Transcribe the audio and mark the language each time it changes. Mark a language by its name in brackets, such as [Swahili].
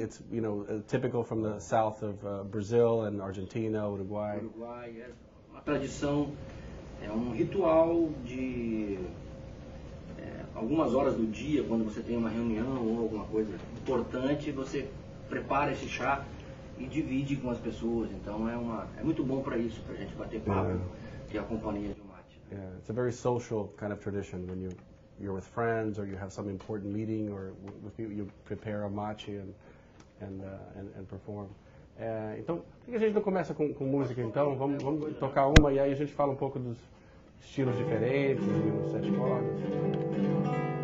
[English] It's, you know, typical from the south of Brazil and Argentina, Uruguay. [Portuguese] Uruguay, é uma tradição, é um ritual de algumas horas do dia, quando você tem uma reunião ou alguma coisa importante, você prepara esse chá e divide com as pessoas. Então é muito bom para isso, para a gente bater papo, ter a companhia de um mate. Né? [English] Yeah, it's a very social kind of tradition when you're with friends or you have some important meeting or with you prepare a mate and perform. [Portuguese] Então, por que a gente não começa com música então? Vamos tocar uma e aí a gente fala um pouco dos estilos diferentes, e os sete cordas.